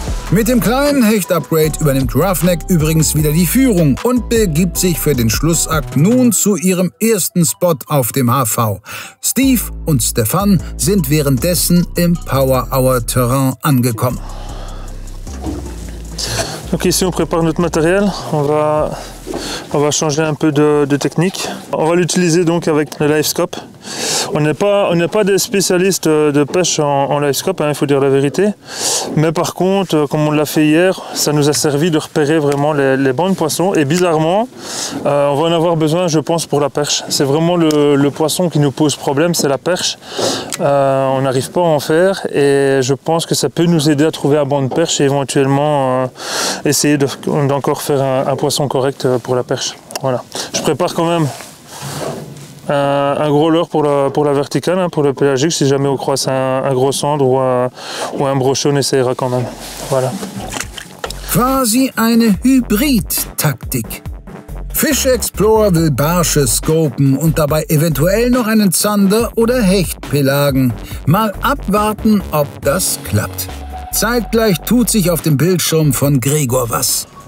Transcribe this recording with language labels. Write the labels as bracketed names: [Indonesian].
[German] Mit dem kleinen Hecht-Upgrade übernimmt Roughneck übrigens wieder die Führung und begibt sich für den Schlussakt nun zu ihrem ersten Spot auf dem HV. Steve und Stefan sind währenddessen im Power-Hour-Terrain angekommen. [French] Donc ici on prépare notre matériel, on va changer un peu de technique. On va l'utiliser donc avec le LiveScope. On n'est pas des spécialistes de pêche en LiveScope, hein, il faut dire la vérité. Mais par contre, comme on l'a fait hier, ça nous a servi de repérer vraiment les bancs de poissons. Et bizarrement, on va en avoir besoin, je pense, pour la perche. C'est vraiment le poisson qui nous pose problème, c'est la perche. On n'arrive pas à en faire et je pense que ça peut nous aider à trouver un banc de perche et éventuellement essayer d'encore faire un poisson correct pour la perche. Voilà. Je prépare quand même un gros leurre pour la verticale, hein, pour le pélagique, si jamais on croise un gros cendre ou un brochet, on essayera quand même. Voilà. [German] Quasi eine Hybrid-Taktik. Fish Explorer will Barsche scopen und dabei eventuell noch einen Zander oder Hecht pelagen. Mal abwarten, ob das klappt. Zeitgleich tut sich auf dem Bildschirm von Gregor was.